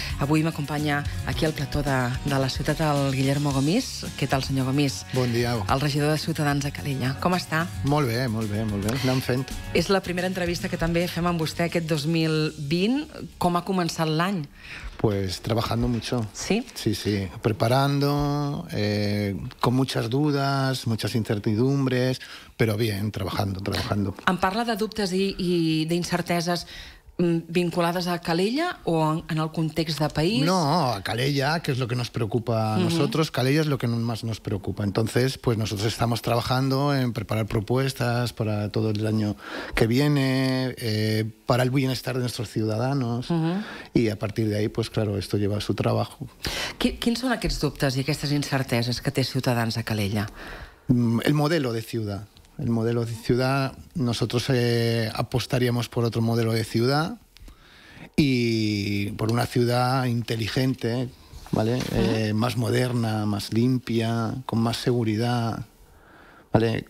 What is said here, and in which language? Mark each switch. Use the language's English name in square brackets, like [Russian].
[Catalan] Avui m'acompanya aquí al plató de la ciutat el Guillermo Gomis. Què tal, senyor Gomis? Bon dia. El regidor de Ciutadans de Calella. Com està? Molt bé, molt bé, molt bé. Anem fent. És la primera entrevista que també fem amb vostè aquest 2020. Com ha començat l'any? [Spanish] Pues trabajando mucho. ¿Sí? Sí, sí. Preparando, con muchas dudas, muchas incertidumbres, pero bien, trabajando, trabajando. [Catalan] ¿Em parla de dubtes i d'incerteses vinculades a Calella o en el context de país? [Spanish] No, a Calella, que es lo que nos preocupa a nosotros. Calella es lo que más nos preocupa. Entonces, pues nosotros estamos trabajando en preparar propuestas para todo el año que viene, para el bienestar de nuestros ciudadanos. Y a partir de ahí, pues claro, esto lleva su trabajo. [Catalan] ¿Quins són aquests dubtes i aquestes incerteses que té Ciutadans a Calella? [Spanish] El modelo de ciudad. El modelo de ciudad, nosotros apostaríamos por otro modelo de ciudad y por una ciudad inteligente, ¿vale? Más moderna, más limpia, con más seguridad, ¿vale?